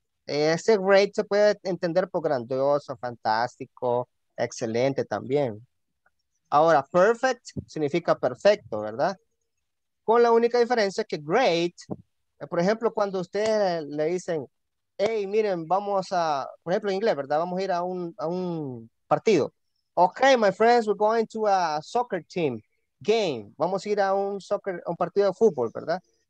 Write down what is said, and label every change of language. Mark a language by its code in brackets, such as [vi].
[es] Ese great se puede entender por grandioso, fantástico, excelente también. Ahora, perfect significa perfecto, ¿verdad? Con la única diferencia que great, por ejemplo, cuando ustedes le dicen, hey, miren, vamos a, por ejemplo, en inglés, ¿verdad? Vamos a ir a un partido. [en] Okay, my friends, we're going to a soccer team game. [es] Vamos a ir a un partido de fútbol, ¿verdad?